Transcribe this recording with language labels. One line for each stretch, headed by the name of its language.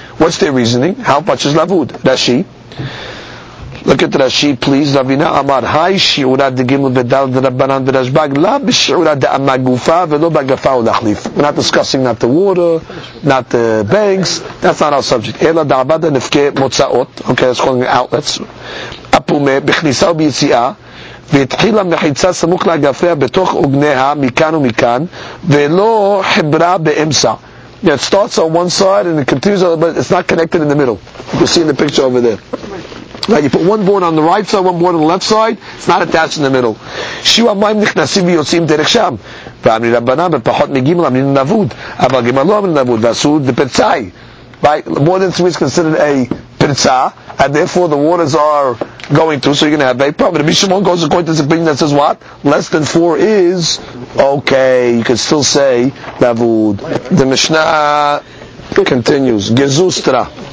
English: What's their reasoning? How much is Lavud? Rashi. Look at Rashi, please.
Aramaic: Ravina Amar, Hai Shi'ura de Gimel Bedal de Rabbanan de Rashbag, La Bishi'ura de Amagufa, Velo Bagafa u Lachlif.
English: We're not discussing not the water, not the banks. That's not our subject.
Aramaic: Ela Da'abada Nefke Motza'ot. Okay, that's calling outlets. Apume, Bechnisa u Biyitzi'a.
Hebrew: והתחילה מחיצה סמוך לאגפיה בתוך אוגניה מכאן ומכאן ולא חברה באמצע.
English: It starts on one side and it continues on, but it's not connected in the middle. You see in the picture over there. Right, you put one board on the right side, one board on the left side, it's not attached in the middle.
Aramaic: שיעור המים נכנסים ויוצאים דרך שם. ואמרי רבנן בפחות מגימל אמרי נבוד, אבל גימל לא אמרי נבוד, ועשו דפרצאי.
English: Right, more than three is considered a pirza, and therefore the waters are going through, so you're going to have a problem. Rabbi Shimon goes according to this opinion that says what? Less than four is okay. You can still say lavud. The Mishnah continues. Gezustra.